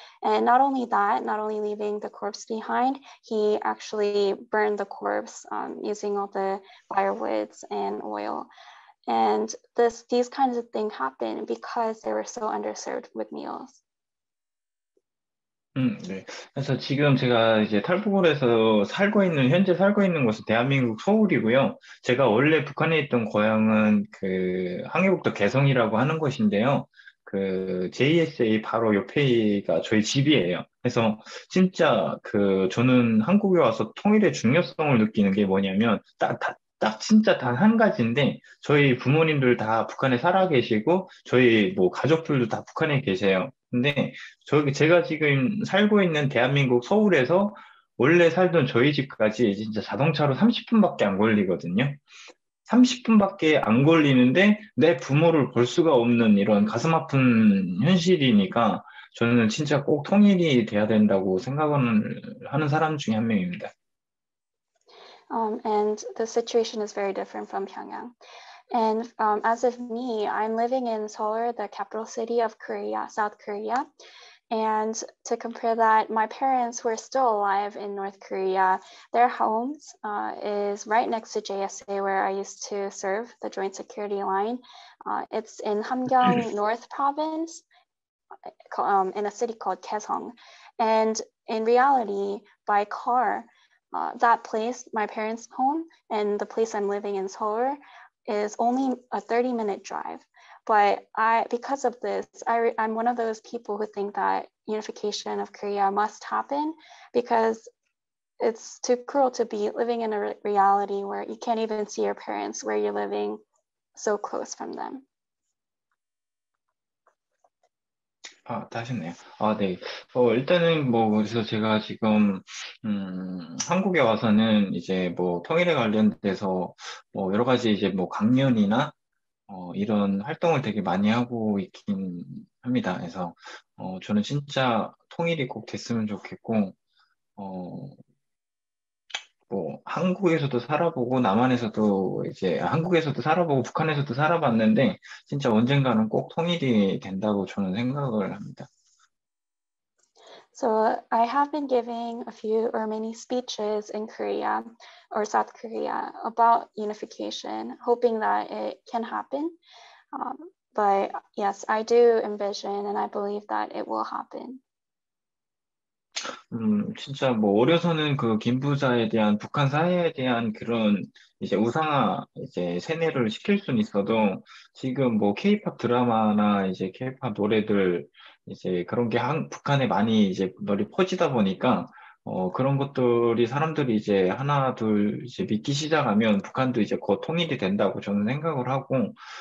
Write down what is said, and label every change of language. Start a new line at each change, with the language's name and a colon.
English: And not only that, not only leaving the corpse behind, he actually burned the corpse using all the firewoods and oil. And these kinds of things happen because they were so underserved with meals.
Korean: 네. 그래서 지금 제가 이제 탈북을 해서 살고 있는 현재 살고 있는 곳은 대한민국 서울이고요. 제가 원래 북한에 있던 고향은 그 항해북도 개성이라고 하는 곳인데요. 그 JSA 바로 옆에가 저희 집이에요. 그래서 진짜 그 저는 한국에 와서 통일의 중요성을 느끼는 게 뭐냐면 딱 진짜 단 한 가지인데 저희 부모님들 다 북한에 살아 계시고 저희 뭐 가족들도 다 북한에 계세요. 근데 저기 제가 지금 살고 있는 대한민국 서울에서 원래 살던 저희 집까지 진짜 자동차로 30분밖에 안 걸리거든요. 30분밖에 안 걸리는데 내 부모를 볼 수가 없는 이런 가슴 아픈 현실이니까 저는 진짜 꼭 통일이 돼야 된다고 생각을 하는 사람 중에 한 명입니다.
English: And the situation is very different from Pyongyang. And as of me, I'm living in Seoul, the capital city of Korea, South Korea. And to compare that, my parents were still alive in North Korea. Their homes is right next to JSA, where I used to serve the Joint Security Line. It's in Hamgyong North Province, in a city called Kaesong. And in reality, by car, that place, my parents' home, and the place I'm living in Seoul, is only a 30-minute drive. But I'm one of those people who think that unification of Korea must happen because it's too cruel to be living in a reality where you can't even see your parents, where you're living so close from them.
Korean: 아, 다시네요. 아, 네. 일단은 뭐 그래서 제가 지금 한국에 와서는 이제 뭐 통일에 관련돼서 뭐 여러 가지 이제 뭐 강연이나 이런 활동을 되게 많이 하고 있긴 합니다. 그래서 저는 진짜 통일이 꼭 됐으면 좋겠고 뭐 한국에서도 살아보고 남한에서도 이제 한국에서도 살아보고 북한에서도 살아봤는데 진짜 언젠가는 꼭 통일이 된다고 저는 생각을 합니다.
English: So I have been giving a few or many speeches in Korea or South Korea about unification, hoping that it can happen. But yes, I do envision and I believe that it will happen.
Korean: 진짜 뭐 어려서는 그 김부자에 대한 북한 사회에 대한 그런 이제 우상화 이제 세뇌를 시킬 수는 있어도 지금 뭐 K-pop 드라마나 이제 K-pop 노래들 이제 그런 게 북한에 많이 이제 널리 퍼지다 보니까 그런 것들이 사람들이 이제 하나 둘 이제 믿기 시작하면 북한도 이제 곧 통일이 된다고 저는 생각을 하고